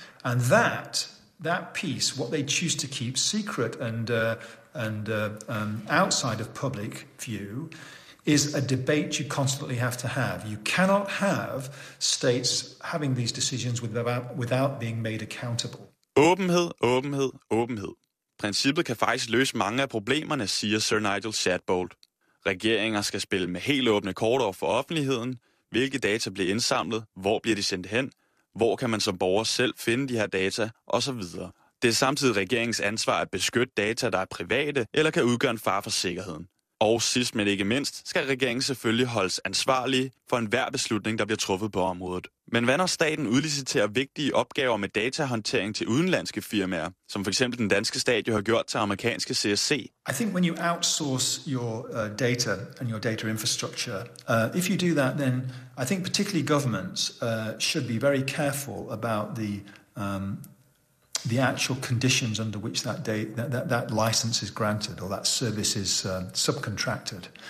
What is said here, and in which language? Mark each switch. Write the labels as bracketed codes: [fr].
[en] And that piece, what they choose to keep secret and outside of public view, is a debate you constantly have to have. You cannot have states having these decisions without being made accountable. [da] Åbenhed, åbenhed, åbenhed. Princippet kan faktisk løse mange af problemerne, siger Sir Nigel Shadbolt. Regeringer skal spille med helt åbne kort over for offentligheden. Hvilke data bliver indsamlet? Hvor bliver de sendt hen? Hvor kan man som borger selv finde de her data? Og så videre. Det er samtidig regeringens ansvar at beskytte data, der er private eller kan udgøre en fare for sikkerheden. Og sidst men ikke mindst skal regeringen selvfølgelig holdes ansvarlig for enhver beslutning, der bliver truffet på området. Men hvad når staten udliciterer vigtige opgaver med datahåndtering til udenlandske firmaer, som for eksempel den danske stat jo har gjort til amerikanske CSC? [en] I think when you outsource your data and your data infrastructure, if you do that, then I think particularly governments should be very careful about the actual conditions under which that license is granted or that service is subcontracted.